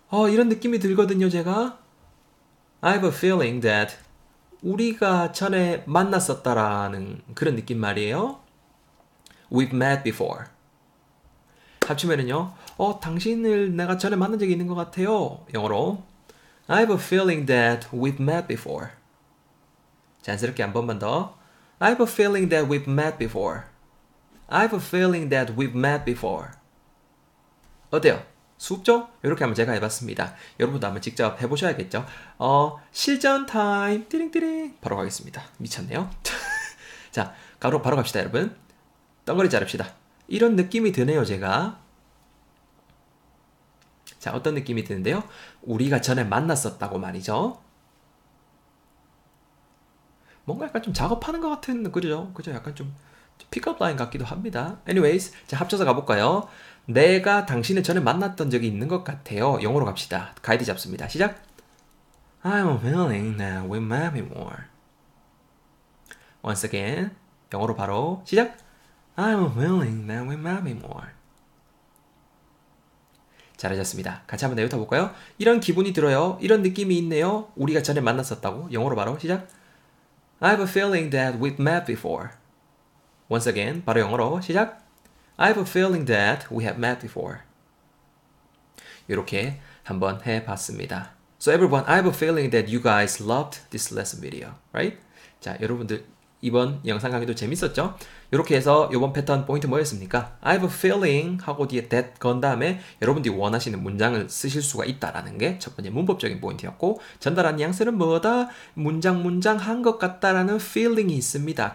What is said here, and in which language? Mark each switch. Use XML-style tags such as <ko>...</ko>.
<ko>이런 느낌이 들거든요, 제가.</ko> <en>I have a feeling that</en> <ko>우리가 전에 만났었다라는 그런 느낌 말이에요.</ko> <en>We've met before.</en> <ko>합치면은요. 당신을 내가 전에 만난 적이 있는 것 같아요. 영어로</ko> <en>I have a feeling that we've met before.</en> <ko>자연스럽게 한 번만 더.</ko> <en>I have a feeling that we've met before. I have a feeling that we've met before.</en> <ko>어때요? 쉽죠? 이렇게 한번 제가 해봤습니다. 여러분도 한번 직접 해보셔야겠죠? 실전 타임 띠링띠링 바로 가겠습니다. 미쳤네요. 자, 바로 갑시다, 여러분. 덩거리 자릅시다. 이런 느낌이 드네요, 제가. 자, 어떤 느낌이 드는데요? 우리가 전에 만났었다고 말이죠. 뭔가 약간 좀 작업하는 것 같은, 그죠? 그죠? 약간 좀 픽업 라인 같기도 합니다. Anyways, 자, 합쳐서 가볼까요? 내가 당신을 전에 만났던 적이 있는 것 같아요. 영어로 갑시다. 가이드 잡습니다. 시작!</ko> <en>I have a feeling that we might be more. Once again,</en> <ko>영어로 바로 시작!</ko> <en>I have a feeling that we might be more.</en> <ko>잘하셨습니다. 같이 한번 내뱉어볼까요? 이런 기분이 들어요. 이런 느낌이 있네요. 우리가 전에 만났었다고. 영어로 바로 시작!</ko> <en>I have a feeling that we've met before. Once again,</en> <ko>바로 영어로 시작!</ko> <en>I have a feeling that we have met before.</en> <ko>이렇게 한번 해봤습니다.</ko> <en>So everyone, I have a feeling that you guys loved this lesson video, right?</en> <ko>자, 여러분들 이번 영상 강의도 재밌었죠? 이렇게 해서 이번 패턴 포인트 뭐였습니까?</ko> <en>I have a feeling</en> <ko>하고 뒤에 that 건 다음에 여러분들이 원하시는 문장을 쓰실 수가 있다라는 게 첫 번째 문법적인 포인트였고 전달한 뉘앙스는 뭐다? 문장 한 것 같다라는 feeling이 있습니다.</ko>